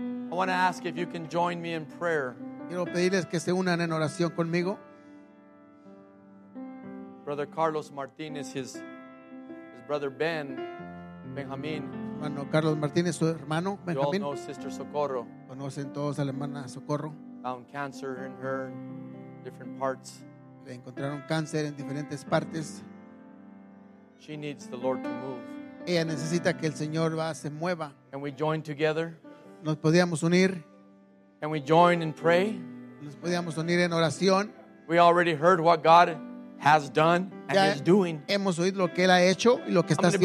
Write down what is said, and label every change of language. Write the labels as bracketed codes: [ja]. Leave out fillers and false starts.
[en] I want to ask if you can join me in prayer. [es] Quiero pedirles que se unan en oración conmigo. [en] Brother Carlos Martinez, his brother Ben, Benjamin. [es] Hermano Carlos Martinez, su hermano Benjamin. [en] You all know Sister Socorro. [es] Conocen todos a la hermana Socorro. [en] Found cancer in her different parts. [es] Le encontraron cáncer en diferentes partes. [en] She needs the Lord to move. [es] Ella necesita que el Señor va se mueva. [en] Can we join together? [es] Nos podíamos unir. [en] Can we join and pray? [es] Nos podíamos unir en oración. [en] We already heard what God has done and ya is doing. [es] Hemos oído lo que él ha hecho y lo que está haciendo.